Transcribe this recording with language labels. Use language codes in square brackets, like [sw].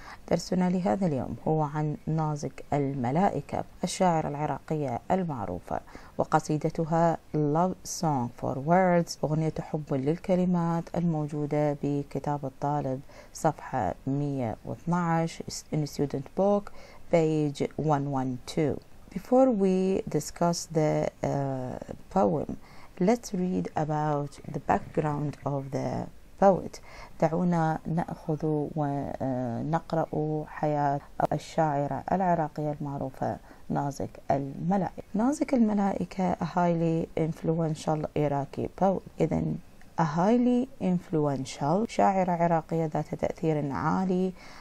[ar] درسنا لهذا اليوم هو عن نازك الملائكة الشاعرة العراقية المعروفة وقصيدتها Love Song for Words، أغنية حب للكلمات، الموجودة بكتاب الطالب صفحة 112 [en] in student book page 112. Before we discuss the poem, let's read about the background of the poet. [ar] دعونا نأخذ ونقرأ حياة الشاعرة العراقية المعروفة نازك الملائكة. [en] نازك الملائكة, a highly influential Iraqi poet. [ar] إذن [en] a highly influential, [ar] شاعرة عراقية ذات تأثير عالي.